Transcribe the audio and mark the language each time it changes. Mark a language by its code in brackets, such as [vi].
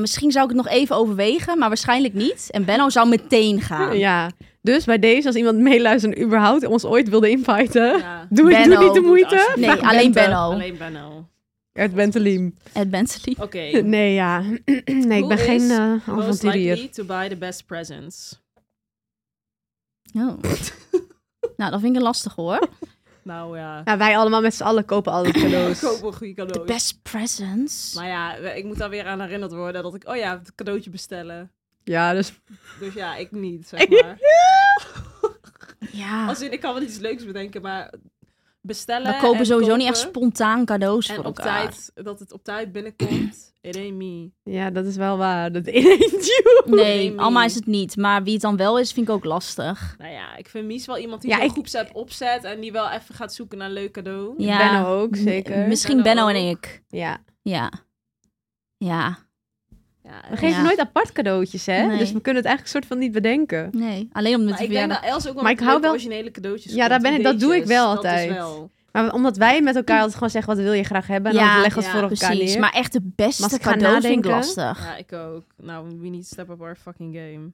[nl] Misschien zou ik het nog even overwegen, maar waarschijnlijk niet. En Benno zou meteen gaan. Ja. Dus bij deze, als iemand meeluistert en überhaupt ons ooit wilde inviten, ja. doe niet de moeite. Nee, Benno. Alleen Benno. Alleen Benno. Ed Bentelim. Ed Bentelim. Oké. Okay. Nee, ja. Nee, ik ben geen avonturier. [en] Who is most likely to buy the best presents? [nl] Oh. Nou, dat vind ik lastig, hoor. Nou, ja. Nou, wij allemaal met z'n allen kopen alle cadeaus. Kopen goede cadeaus. [en] The best presents. [nl] Maar ja, ik moet daar weer aan herinnerd worden dat ik, oh ja, het cadeautje bestellen. Ja, dus... Dus ja, ik niet, zeg maar. Ja. Als in, ik kan wel iets leuks bedenken, maar bestellen... We kopen sowieso niet echt spontaan cadeaus voor elkaar. En op tijd, dat het op tijd binnenkomt, it ain't me. Ja, dat is wel waar, dat it ain't you. Nee, allemaal is het niet. Maar wie het dan wel is, vind ik ook lastig. Nou ja, ik vind Mies wel iemand die zo'n groepset opzet en die wel even gaat zoeken naar een leuk cadeau. Ja. Benno ook, zeker. Misschien Benno en ik. Ja. Ja. Ja. Ja, we geven nooit apart cadeautjes, hè? Nee. Dus we kunnen het eigenlijk soort van niet bedenken. Nee, alleen omdat ik denk dat Els ook wel hou wel originele cadeautjes. Ja, daar ben ik, dat doe ik wel altijd. Dat is wel. Maar omdat wij met elkaar altijd gewoon zeggen wat wil je graag hebben. En dan leggen we het voor elkaar neer. Maar echt de beste cadeaus vind ik lastig. Ja, ik ook. [en] Nou, we need to step up our fucking game.